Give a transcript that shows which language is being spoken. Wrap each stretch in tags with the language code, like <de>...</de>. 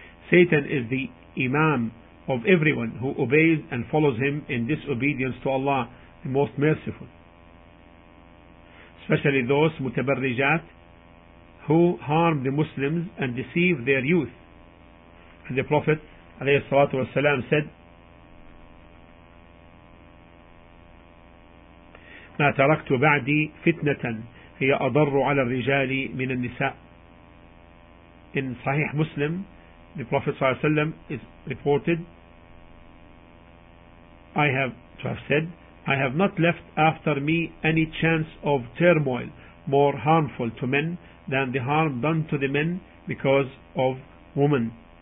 <en>Satan is the imam of everyone who obeys and follows him in disobedience to Allah, the Most Merciful, especially those mutabarrijat who harm the Muslims and deceive their youth. And the Prophet alayhi salatu wasalam said,</en> <ar>ما تركت بعدي فتنة هي أضر على الرجال من النساء.</ar> <en>In Sahih Muslim, the Prophet</en> <ar>صلى الله عليه وسلم</ar> <en>is reported, I have not left after me any chance of turmoil more harmful to men than the harm done to the men because of women.</en>